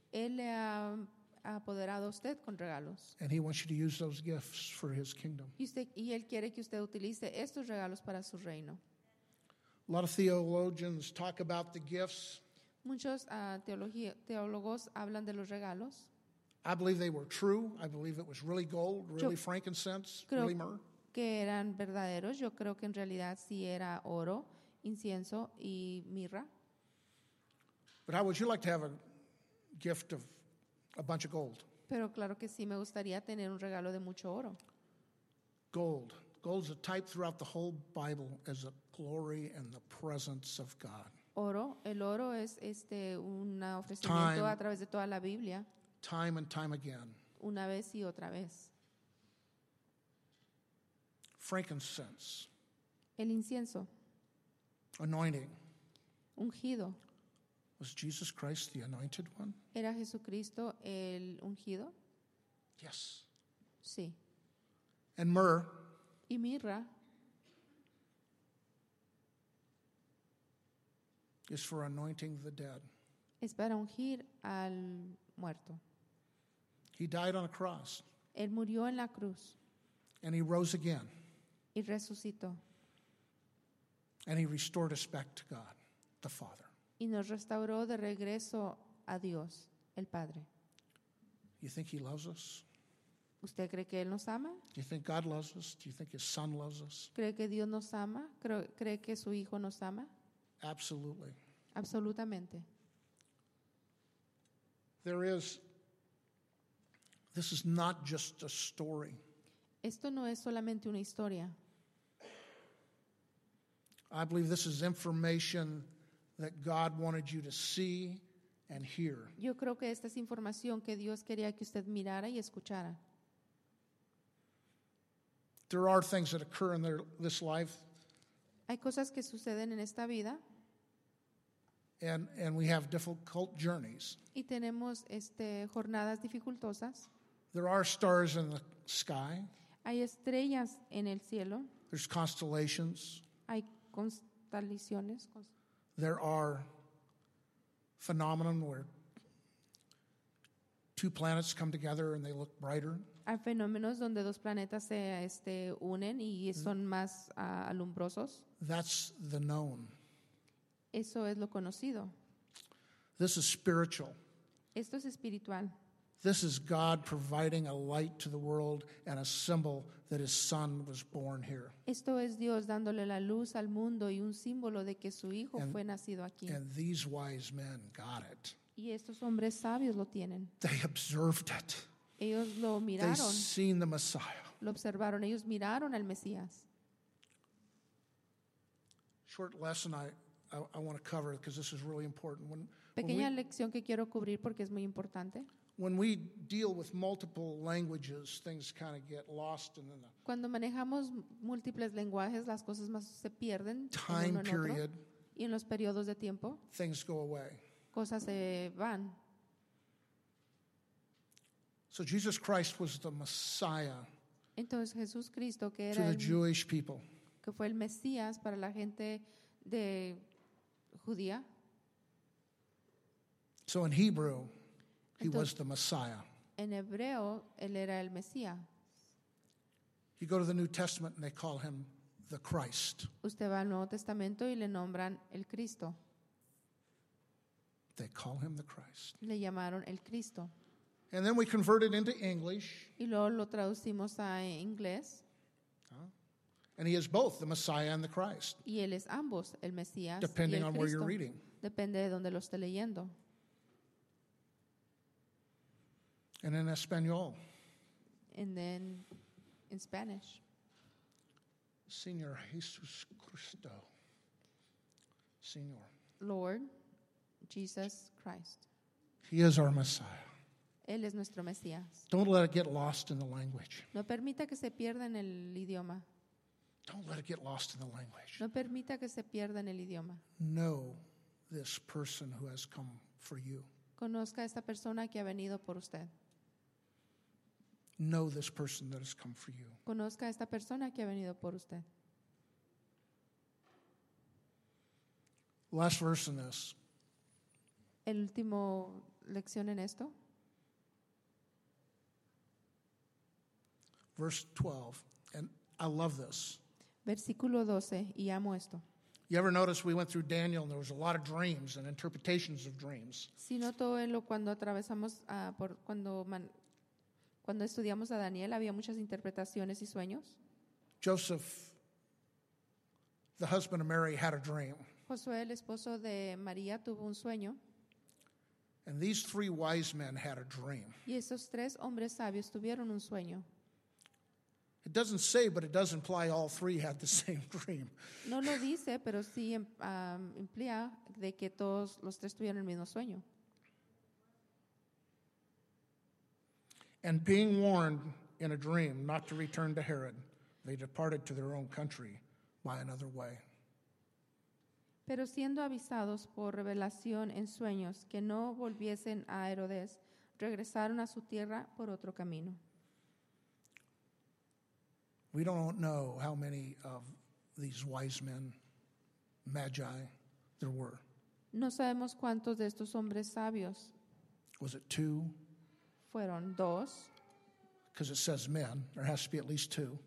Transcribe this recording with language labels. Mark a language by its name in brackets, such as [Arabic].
[Spanish] Él le ha apoderado a usted con regalos. [English] And he wants you to use those gifts for his kingdom. [Spanish] Y él quiere que usted utilice estos regalos para su reino. [English] A lot of theologians talk about the gifts. [Spanish] Muchos teólogos hablan de los regalos. [English] I believe they were true. I believe it was really gold, really frankincense, really myrrh. [Spanish] Que eran verdaderos. Yo creo que en realidad sí era oro incienso y mirra. [English] But how would you like to have a gift of a bunch of gold? [Spanish] Pero claro que sí, me gustaría tener un regalo de mucho oro. [English] Gold. Gold is a type throughout the whole Bible as a glory and the presence of God. [Spanish] Oro, el oro es este un ofrecimiento a través de toda la Biblia. [English] Time and time again. [Spanish] Una vez y otra vez. [English] Frankincense. [Spanish] El incienso. [English] Anointing. [Spanish] Ungido. [English] Was Jesus Christ the anointed one? [Spanish] ¿Era Jesucristo el ungido? [English] Yes. [Spanish] Sí. [English] And myrrh. [Spanish] Y mirra. [English] Is for anointing the dead. [Spanish] Es para ungir al muerto. [English] He died on a cross. [Spanish] Él murió en la cruz. [English] And he rose again. [Spanish] Y resucitó. [English] And he restored us back to God, the Father. [Spanish] Y nos restauró de regreso a Dios, el Padre. [English] You think he loves us? [Spanish] ¿Usted cree que Él nos ama? [English] Do you think God loves us? Do you think his son loves us? [Spanish] ¿Cree que Dios nos ama? ¿Cree que su Hijo nos ama? [English] Absolutely. [Spanish] Absolutamente. [English] There is, this is not just a story. [Spanish] Esto no es solamente una historia. [English] I believe this is information that God wanted you to see and hear. [Spanish] Yo creo que esta es información que Dios quería que usted mirara y escuchara. [English] There are things that occur in this life. [Spanish] Hay cosas que suceden en esta vida. [English] And we have difficult journeys. [Spanish] Y tenemos jornadas dificultosas. [English] There are stars in the sky. [Spanish] Hay estrellas en el cielo. [English] There's constellations. [Spanish] Hay constelaciones. [English] There are phenomena where two planets come together and they look brighter. [Spanish] Hay fenómenos donde dos planetas se unen y son más alumbrosos. [English] That's the known. [Spanish] Eso es lo conocido. [English] This is spiritual. [Spanish] Esto es espiritual. [English] This is God providing a light to the world and a symbol that his son was born here. [Spanish] Esto es Dios dándole la luz al mundo y un símbolo de que su hijo fue nacido aquí. [English] And these wise men got it. [Spanish] Y estos hombres sabios lo tienen. [English] They observed it. [Spanish] Ellos lo miraron. [English] They seen the Messiah. [Spanish] Lo observaron. Ellos miraron al Mesías. [English] Short lesson I want to cover because this is really important. [Spanish] Pequeña lección que quiero cubrir porque es muy importante. [English] When we deal with multiple languages, things kind of get lost in the [Spanish] cuando manejamos múltiples lenguajes, las cosas más se pierden [English] time [Spanish] en [English] period, [Spanish] otro, y en los periodos de tiempo, [English] things go away. [Spanish] Cosas se van. [English] So Jesus Christ was the Messiah. [Spanish] Entonces Jesús Cristo que era [English] to the Jewish people. [Spanish] Que fue el Mesías para la gente de judía. [English] So in Hebrew he was the Messiah. [Spanish] En hebreo, él era el Mesías. [English] You go to the New Testament and they call him the Christ. [Spanish] Usted va al Nuevo Testamento y le nombran el Cristo. [English] They call him the Christ. [Spanish] Le llamaron el Cristo. [English] And then we convert it into English. [Spanish] Y luego lo traducimos a inglés. [English] And he is both the Messiah and the Christ. [Spanish] Y él es ambos, el Mesías. [English] Depending [Spanish] y el [English] on [Spanish] Cristo. [English] Where you're reading. [Spanish] Depende de donde lo esté leyendo. [English] And in Espanol. And then in Spanish. [Spanish] Señor Jesús Cristo. Señor. [English] Lord Jesus Christ. He is our Messiah. [Spanish] Él es nuestro Mesías. [English] Don't let it get lost in the language. [Spanish] No permita que se pierda en el idioma. [English] Don't let it get lost in the language. [Spanish] No permita que se pierda en el idioma. [English] Know this person who has come for you. [Spanish] Conozca a esta persona que ha venido por usted. [English] Know this person that has come for you. [Spanish] Conozca a esta persona que ha venido por usted. [English] Last verse in this. [Spanish] El último lección en esto. [English] Verse 12. And I love this. [Spanish] Versículo 12. Y amo esto. [English] You ever notice we went through Daniel and there was a lot of dreams and interpretations of dreams. [Spanish] Si noto en lo cuando atravesamos por cuando man. Cuando estudiamos a Daniel, había muchas interpretaciones y sueños. [English] Joseph The husband of Mary had a dream. [Spanish] Josué, el esposo de María, tuvo un sueño. [English] And these three wise men had a dream. [Spanish] Y esos tres hombres sabios tuvieron un sueño. [English] It doesn't say, but it does imply all three had the same dream. [Spanish] No lo dice, pero sí implica de que todos los tres tuvieron el mismo sueño. [English] And being warned in a dream not to return to Herod, they departed to their own country by another way. [Spanish] Pero siendo avisados por revelación en sueños que no volviesen a Herodes, regresaron a su tierra por otro camino. [English] We don't know how many of these wise men, magi, there were. [Spanish] No sabemos cuántos de estos hombres sabios. [English] Was it two? [Spanish] Fueron dos. [English] Because it says men, there has to be at least two.